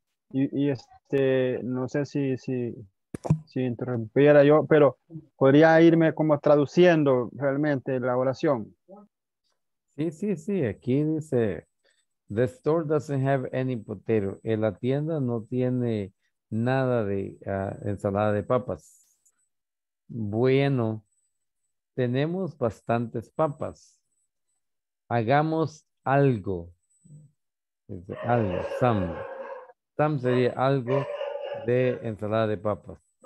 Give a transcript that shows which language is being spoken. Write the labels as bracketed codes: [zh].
[es] Y este, no sé si, si interrumpiera yo, pero podría irme como traduciendo realmente la oración. Sí, sí, sí. Aquí dice, [en] the store doesn't have any potato. [es] En la tienda no tiene nada de ensalada de papas. Bueno, tenemos bastantes papas. Hagamos algo. Algo, some sería algo de ensalada de papas.